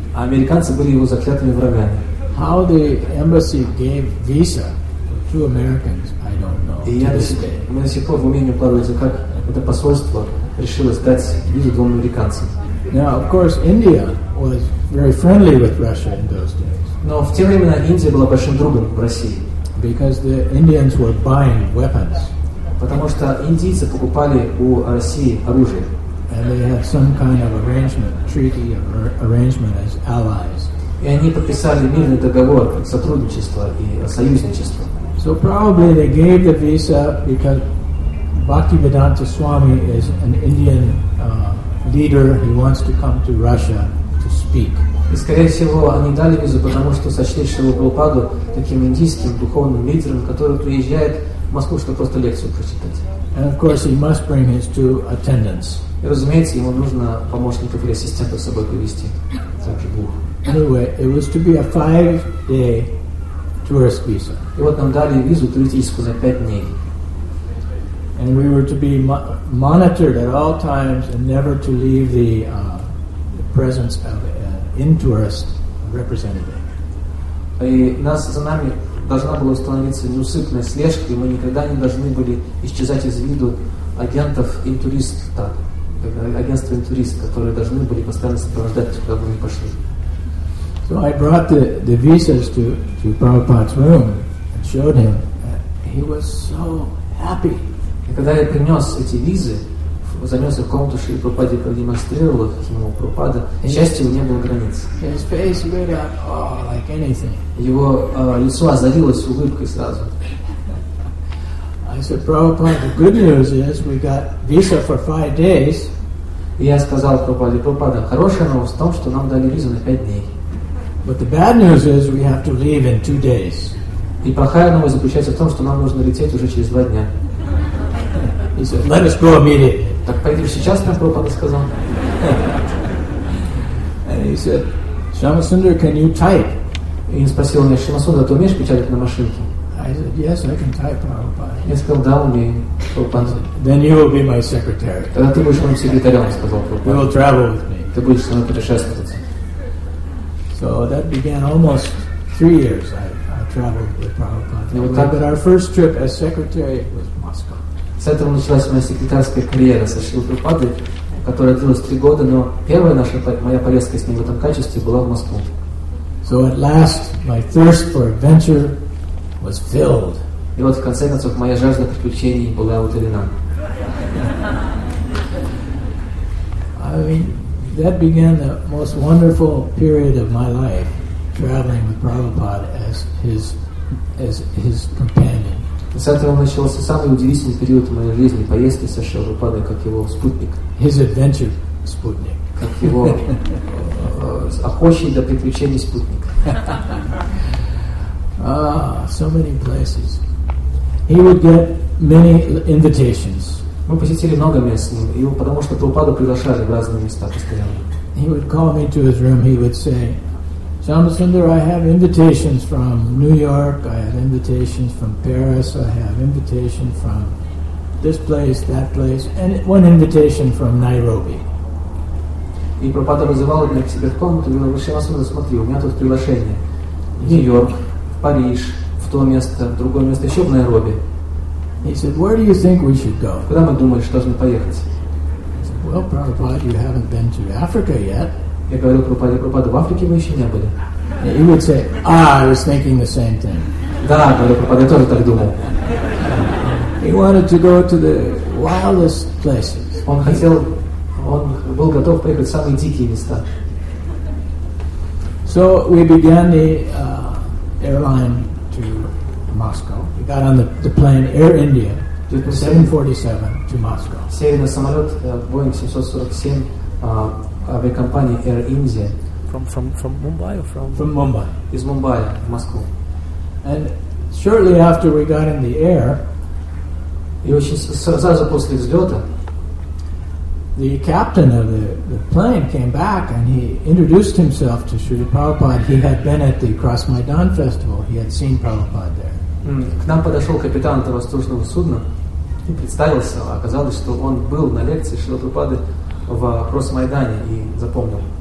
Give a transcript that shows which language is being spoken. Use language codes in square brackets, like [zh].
[ru] Американцы были его заклятыми врагами. [en] How the embassy gave visa to Americans, I don't know. [ru] И я до сих пор в уме не укладывается, как это посольство решило дать визу двум американцам. [en] Now, of course, India was very friendly with Russia in those days. [ru] Но в те времена Индия была большим другом в России. [en] Because the Indians were buying weapons. [ru] Потому что индийцы покупали у России оружие. [en] And they had some kind of arrangement, treaty or arrangement as allies. [ru] И они подписали мирный договор сотрудничества и союзничества. [en] So probably they gave the visa because Bhaktivedanta Swami is an Indian leader. He wants to come to Russia to speak. [ru] И скорее всего они дали визу, потому что сочли Шрилу Прабхупаду таким индийским духовным лидером, который приезжает в Москву, чтобы просто лекцию прочитать. [en] And of course he must bring his two attendants. [ru] И, разумеется, ему нужно помощников или ассистентов с собой привести. Также двух. [en] Anyway, it was to be a 5-day tourist visa. [ru] И вот нам дали визу туристическую за 5 дней. [en] And we were to be monitored at all times and never to leave the presence of an in-tourist representative. [ru] И нас за нами должна была установиться неусыпная слежка, и мы никогда не должны были исчезать из виду агентов интуриста. Агентство интуристов, которые должны были постоянно сопровождать, куда бы мы ни пошли. [en] So I brought the visas to Prabhupada's room and showed him. He was so happy. [ru] И когда я принес эти визы, занес их в комнату Шри Прабхупады и продемонстрировал их ему Прабхупада, счастью не было границ. [en] His face lit up, like anything. [ru] Его лицо озарилось улыбкой сразу. [en] I said, Prabhupada, the good news is we got visa for 5 days. [ru] Я сказал Прабхупаде, хорошая новость в том, что нам дали визу на 5 дней. [en] But the bad news is we have to leave in 2 days. [ru] И плохая новость заключается в том, что нам нужно лететь уже через 2 дня. [en] He said, let us go immediately. [ru] Так пойдем сейчас, Прабхупада сказал. [en] And he said, Shamasundar, can you type? [ru] И он спросил меня, Шамасундар, ты умеешь печатать на машинке? [en] I said, yes, I can type, Prabhupada. [ru] Я сказал, да, умею, Прабхупада. [en] Then you will be my secretary. [ru] Тогда ты будешь моим секретарем, сказал Прабхупада. [en] You will travel with me. [ru] Ты будешь со мной путешествовать. [en] So that began almost 3 years I traveled with Prabhupada. [ru] Вот так, [en] but our first trip as secretary was Moscow. [ru] С этого началась моя секретарская карьера со Шрилой Прабхупадой, которая длилась 3 года, но первая наша, моя поездка с ним в этом качестве была в Москву. [en] So at last, my thirst for adventure was filled. [ru] И вот в конце концов моя жажда приключений была утолена. [en] I mean, that began the most wonderful period of my life. traveling with Prabhupada as his companion. [ru] С этого начался самый удивительный период в моей жизни, поездки со Шри Прабхупадой как его спутник. [en] His adventure [ru] спутник. Как его охочий до приключений спутник. [en] So many places. He would get many invitations. Мы посетили много мест, и потому что Прабхупаду приглашали в разные места постоянно. He would call me to his room. He would say, Shyamasundar, I have invitations from New York, I have invitations from Paris, I have invitations from this place, that place, and one invitation from Nairobi. [ru] И Прабхупада вызывал меня к себе в комнату, и говорил, Шьямасундар, смотри, у меня тут приглашение. Нью-Йорк, Париж, в то место, в другое место, еще в Найроби. [en] He said, where do you think we should go? [ru] Куда мы думаем, что должны поехать? [en] I said, well, Prabhupada, you haven't been to Africa yet. [ru] Я говорил, Прабхупада, в Африке мы еще не были. [en] He would say, ah, I was thinking the same thing. [ru] Да, говорю, Прабхупада, я тоже так думал. [en] He wanted to go to the wildest places. [ru] Он хотел, он был готов поехать в самые дикие места. [en] So we began the airline to Moscow. We got on the plane Air India, 747 to Moscow. [ru] Сели на самолет Boeing 747 авиакомпании Air India. [en] From Mumbai or from? From Mumbai. [ru] Из Мумбаи в Москву. [en] And shortly after we got in the air, [ru] и очень сразу после взлета, [en] the captain of the plane came back and he introduced himself to Srila Prabhupada. He had been at the Cross Maidan festival. He had seen Prabhupada there. [ru] К нам подошел капитан этого воздушного судна и представился. Оказалось, что он был на лекции Шрила Прабхупады в Кросс Майдане и запомнил.